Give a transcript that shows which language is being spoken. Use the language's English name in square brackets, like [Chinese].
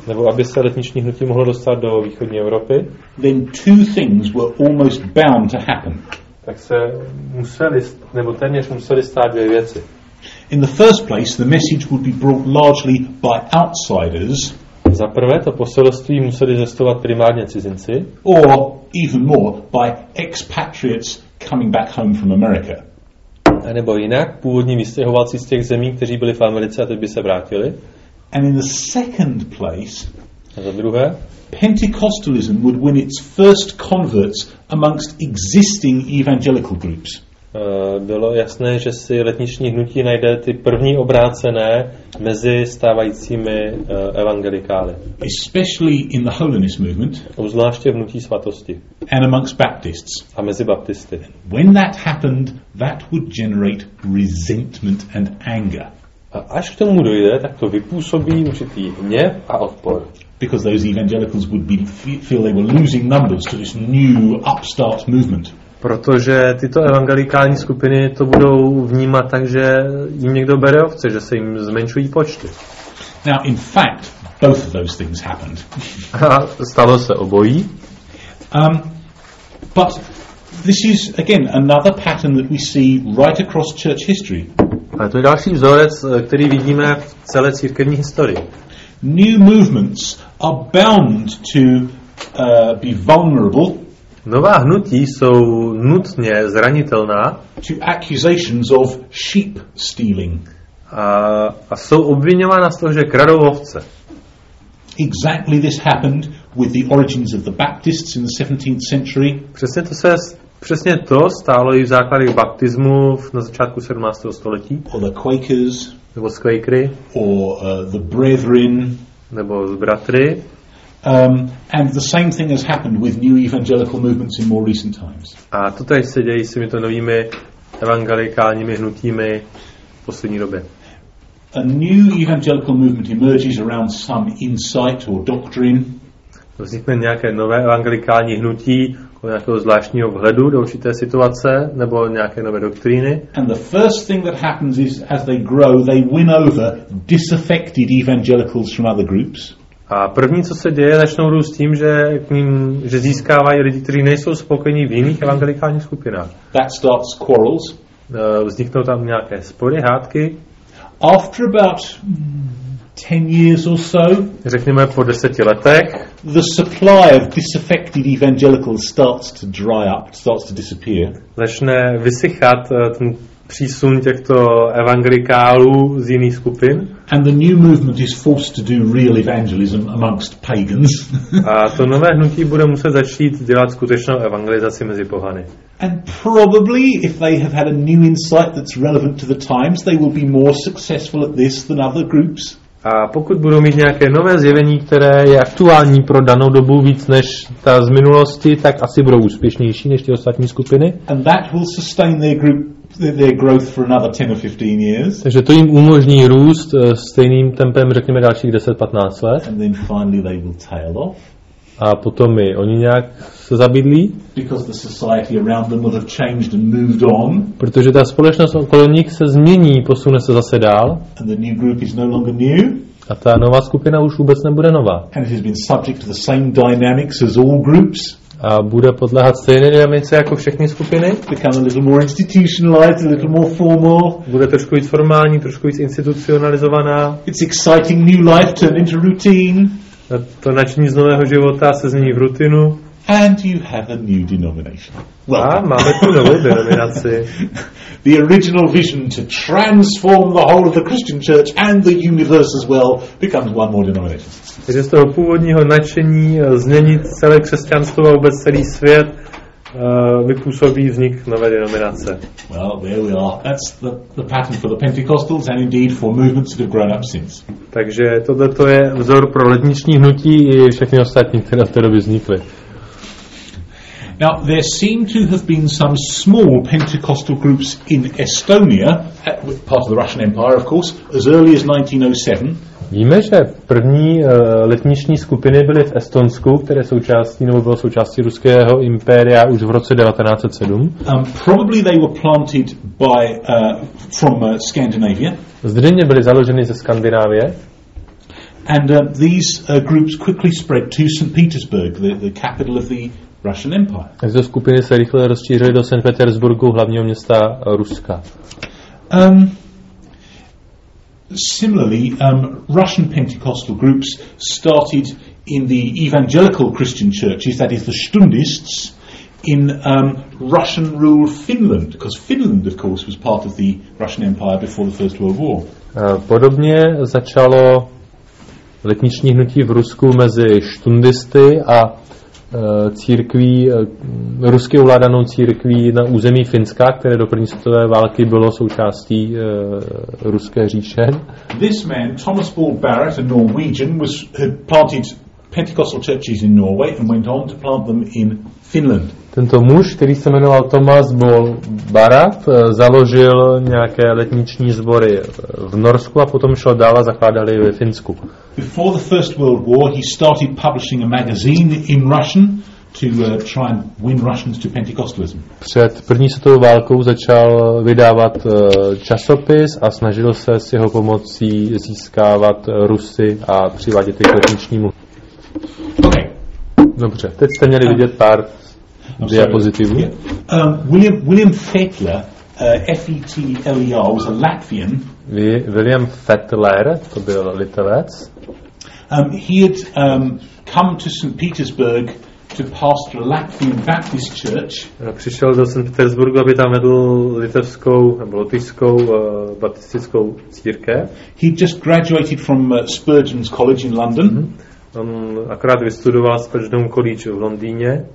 [Czech] aby se letniční hnutí mohlo dostat do východní Evropy, [English] then two things were almost bound to happen. [Czech] Tak se museli, nebo téměř museli stát dvě věci. [English] In the first place, the message would be brought largely by outsiders. [Czech] Za prvé, to poselství museli zjistovat primárně cizinci. [English] Or even more, by expatriates coming back home from America. [Czech] A nebo jinak, původní vystěhovalci z těch zemí, kteří byli v Americe a teď by se vrátili. [English] And in the second place, [Czech] a za druhé, [English] Pentecostalism would win its first converts amongst existing evangelical groups. [Czech] Bylo jasné, že si letniční hnutí najde ty první obrácené mezi stávajícími evangelikály. [English] Especially in the holiness movement. [Czech] Obzvláště v hnutí svatosti. [English] And amongst Baptists. [Czech] A mezi baptisty. [English] When that happened, that would generate resentment and anger. [Czech] A až k tomu dojde, tak to vypůsobí určitý hněv a odpor. [English] Because those evangelicals would be feel they were losing numbers to this new upstart movement. [Czech] Protože tyto evangelikální skupiny to budou vnímat tak, že jim někdo bere ovce, že se jim zmenšují počty. [English] Now, in fact, both of those things happened. [Czech] A stalo se obojí. [English] But this is again another pattern that we see right across church history. [Czech] A to je další vzorec, který vidíme v celé církevní historii. [English] New movements are bound to be vulnerable. [Czech] Nová hnutí jsou nutně zranitelná [English] to accusations of sheep stealing. [Czech] A jsou obviňována z toho, že kradou ovce. [English] Exactly this happened with the origins of the Baptists in the 17th century. [Czech] Přesně to stálo i v základech baptismu na začátku 17. století. [English] Or the Quakers. [Czech] Nebo z Quakery. [English] Or the Brethren. [Czech] Nebo z bratry. [English] And the same thing has happened with new evangelical movements in more recent times. [Czech] A totéž se děje s těmito novými evangelikálními hnutími v poslední době. [English] A new evangelical movement emerges around some insight or doctrine. [Czech] Vznikne nějaké nové evangelikální hnutí kolem nějakého zvláštního vhledu do určité situace nebo nějaké nové doktríny. [English] And the first thing that happens is as they grow, they win over disaffected evangelicals from other groups. [Czech] A první, co se děje, začnou růst tím, že k ním, že získávají lidi, kteří nejsou spokojení v jiných evangelikálních skupinách. [English] That starts quarrels. [Czech] Vzniknou tam nějaké spory, hádky. [English] After about 10 years or so, [Czech] řekněme po 10 letech, [English] the supply of disaffected evangelicals starts to dry up, starts to disappear. [Czech] Začne vysychat ten přísun těchto evangelikálů z jiných skupin. [English] And the new movement is forced to do real evangelism amongst pagans. [Czech] A to nové hnutí bude muset začít dělat skutečnou evangelizaci mezi pohany. [English] And probably if they have had a new insight that's relevant to the times, they will be more successful at this than other groups. [Czech] A pokud budou mít nějaké nové zjevení, které je aktuální pro danou dobu víc než ta z minulosti, tak asi budou úspěšnější než ty ostatní skupiny. [English] And that will sustain their group, their growth for another 10 or 15 years. [Czech] Takže to jim umožní růst stejným tempem, řekněme dalších 10-15 let. [English] And then finally they will tail off. [Czech] A potom i oni nějak se zabydlí. [English] Because the society around them will have changed and moved on. [Czech] Protože ta společnost okolo nich se změní, posune se zase dál. [English] And the new group is no longer new. [Czech] A ta nová skupina už vůbec nebude nová. [English] And it has been subject to the same dynamics as all groups. [Czech] A bude podléhat stejné dynamice jako všechny skupiny. [English] Become a little more institutionalized, a little more formal. [Czech] Bude trošku víc formální, trošku víc institucionalizovaná. [English] It's exciting new life turned into routine. [Czech] To nadšení z nového života se změní v rutinu. [English] And you have a new denomination. [Czech] Well, máme tu novou denominaci. [English] The original vision to transform the whole of the Christian church and the universe as well becomes one more denomination. [Czech] Takže z toho původního nadšení změnit celé křesťanstvo a vůbec celý svět vypůsobí vznik nové denominace. [English] Well, there we are. That's the pattern for the Pentecostals and indeed for movements that have grown up since. [Czech] Takže toto je vzor pro letniční hnutí i všechny ostatní, které v té době vznikly. [English] Now, there seem to have been some small Pentecostal groups in Estonia, part of the Russian Empire, of course, as early as 1907. [Czech] Víme, že první letniční skupiny byly v Estonsku, které součástí nebo bylo součástí ruského impéria už v roce 1907. [English] Probably they were planted by from Scandinavia. [Czech] Zřejmě byly založeny ze Skandinávie. [English] And these groups quickly spread to St. Petersburg, the capital of the Russian Empire. [Czech] Tyto skupiny se rychle rozšířily do St. Petersburgu, hlavního města Ruska. [English] Similarly, Russian Pentecostal groups started in the evangelical Christian churches, that is the Stundists, in Russian rule Finland, because Finland, of course, was part of the Russian Empire before the First World War. [Czech] Podobně začalo letniční hnutí v Rusku mezi Stundisty a církví, rusky ovládanou církví na území Finska, které do první světové války bylo součástí ruské říše. [English] This man, Thomas Ball Barrett, a Norwegian, had planted Pentecostal churches in Norway and went on to plant them in Finland. [Czech] Tento muž, který se jmenoval Thomas Ball Barrett, založil nějaké letniční sbory v Norsku a potom šel dál a zakládal je ve Finsku. [English] Before the First World War, he started publishing a magazine in Russian to try and win Russians to Pentecostalism. [Czech] Před první světovou válkou začal vydávat časopis a snažil se s jeho pomocí získávat Rusy a přivádět je k letničnímu. [English] Okay. [Czech] Dobře, teď jste měli vidět pár diapozitivů. [English] William Fettler, F-E-T-L-E-R, was a Latvian. [Czech] William Fettler, to byl Litevec. [English] He had come to St. Petersburg to pastor a Latvian Baptist church. [Czech] Přišel do St. Petersburgu, aby tam vedl litevskou nebo lotyšskou baptistickou církev. [English] He just graduated from Spurgeon's College in London. Mm-hmm. [Czech] On akorát vystudoval Spurgeon College v Londýně.